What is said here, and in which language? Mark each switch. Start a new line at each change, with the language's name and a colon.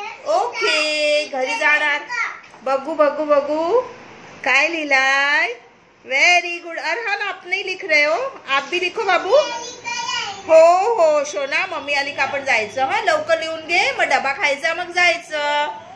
Marathi: Okay घरी जाणार बघू बघू बघू काय लिहिलाय,
English: Very good.
Hindi: अरहान आप नहीं लिख रहे हो, आप भी लिखो बाबू।
Marathi: हो हो सोना मम्मी आली का पण जायचं हा, लवकर लिहून घे, मग डबा खायचा मग जायचं।